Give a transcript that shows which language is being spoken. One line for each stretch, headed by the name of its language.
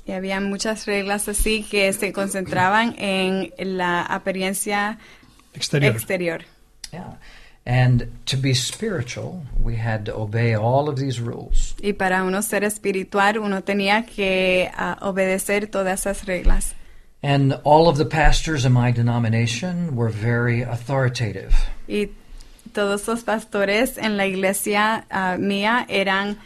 Spanish: Y había muchas reglas así que se concentraban en la apariencia exterior.
English: Yeah. And to be spiritual, we had to obey all of these rules.
Spanish: Y para uno ser espiritual, uno tenía que obedecer todas esas reglas.
English: And all of the pastors in my denomination were very authoritative.
Spanish: Y todos los pastores en la iglesia mía eran